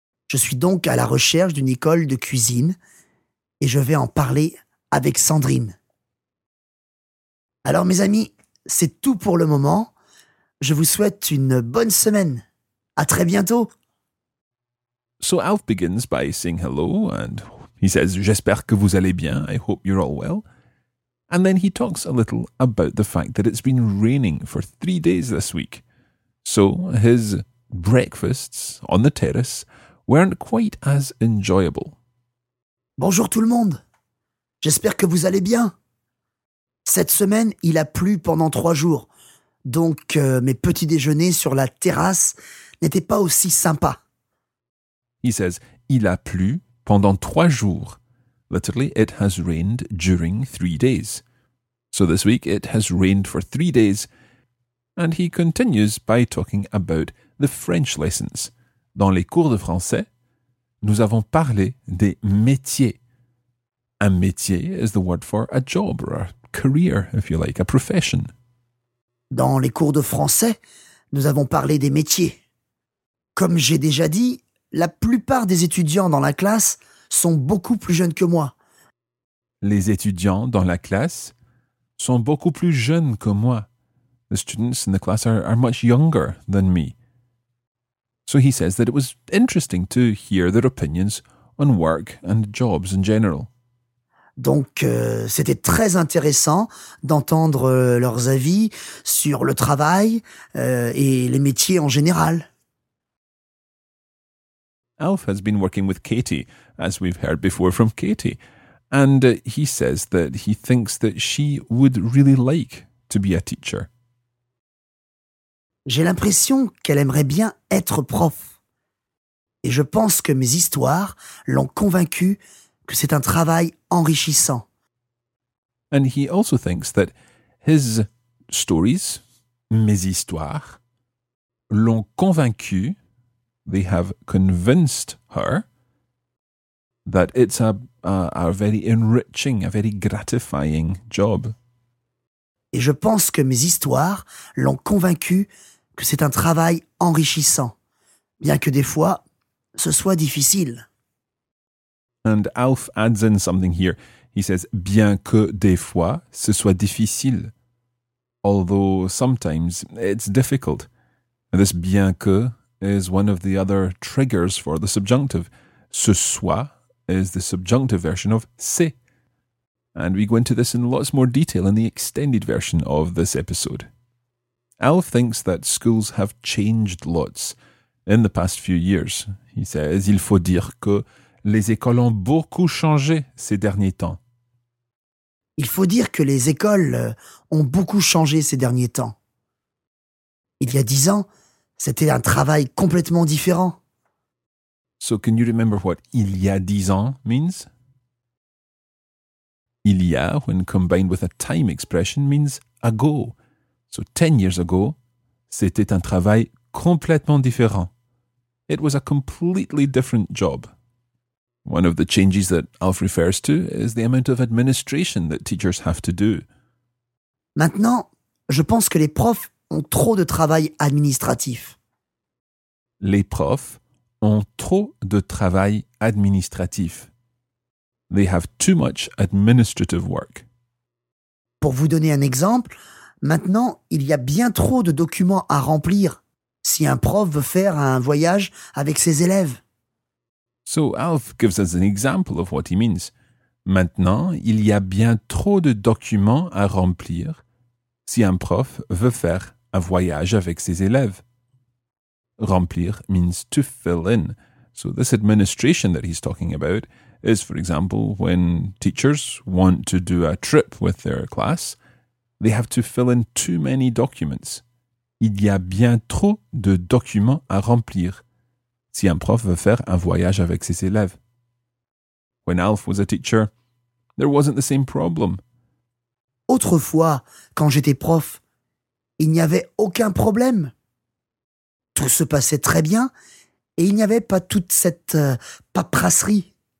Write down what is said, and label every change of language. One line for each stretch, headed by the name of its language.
French: Je suis donc à la recherche d'une école de cuisine et je vais en parler avec Sandrine. Alors, mes amis, c'est tout pour le moment. Je vous souhaite une bonne semaine. À très bientôt.
English: So Alf begins by saying hello and He says,
French: j'espère que vous allez bien,
English: I hope you're all well. And then he talks a little about the fact that it's been raining for 3 days this week. So his breakfasts on the terrace weren't quite as enjoyable.
French: Bonjour tout le monde. J'espère que vous allez bien. Cette semaine, il a plu pendant 3 jours. Donc mes petits déjeuners sur la terrasse n'étaient pas aussi sympas.
English: He says,
French: il a plu pendant 3 jours.
English: Literally, it has rained during 3 days. So this week, it has rained for 3 days. And he continues by talking about the French lessons.
French: Dans les cours de français, nous avons parlé des métiers.
English: Un métier is the word for a job or a career, if you like, a profession.
French: Dans les cours de français, nous avons parlé des métiers. Comme j'ai déjà dit, la plupart des étudiants dans la classe sont beaucoup plus jeunes que moi. Les étudiants dans la classe sont beaucoup plus jeunes que moi.
English: The students in the class are much younger than me. So he says that it was interesting to hear their opinions on work and jobs in general.
French: Donc, c'était très intéressant d'entendre leurs avis sur le travail et les métiers en général.
English: Alf has been working with Katie, as we've heard before from Katie, and he says that he thinks that she would really like to be a teacher.
French: J'ai l'impression qu'elle aimerait bien être prof. Et je pense que mes histoires l'ont convaincue que c'est un travail enrichissant.
English: And he also thinks that his stories,
French: mes histoires, l'ont convaincue,
English: they have convinced her, that it's a very enriching, a very gratifying job.
French: Et je pense que mes histoires l'ont convaincue que c'est un travail enrichissant, bien que des fois, ce soit difficile.
English: And Alf adds in something here. He says,
French: bien que des fois, ce soit difficile.
English: Although sometimes it's difficult. And this bien que is one of the other triggers for the subjunctive. Ce soit is the subjunctive version of c'est. And we go into this in lots more detail in the extended version of this episode. Alf thinks that schools have changed lots in the past few years. He says,
French: il faut dire que les écoles ont beaucoup changé ces derniers temps. Il faut dire que les écoles ont beaucoup changé ces derniers temps. Il y a 10 ans, c'était un travail complètement différent.
English: So can you remember what
French: il y a 10 ans
English: means? Il y a, when combined with a time expression, means ago. So 10 years ago,
French: c'était un travail complètement différent.
English: It was a completely different job. One of the changes that Alf refers to is the amount of administration that teachers have to do.
French: Maintenant, je pense que les profs ont trop de travail administratif. Les profs ont trop de travail administratif.
English: They have too much administrative work.
French: Pour vous donner un exemple, maintenant, il y a bien trop de documents à remplir si un prof veut faire un voyage avec ses élèves.
English: So Alf gives us an example of what he means.
French: Maintenant, il y a bien trop de documents à remplir si un prof veut faire un voyage avec ses élèves.
English: Remplir means to fill in. So this administration that he's talking about is, for example, when teachers want to do a trip with their class, they have to fill in too many documents.
French: Il y a bien trop de documents à remplir si un prof veut faire un voyage avec ses élèves.
English: When Alf was a teacher, there wasn't the same problem.
French: Autrefois, quand j'étais prof, il n'y avait aucun problème. Tout se passait très bien et il n'y avait pas toute cette paperasserie.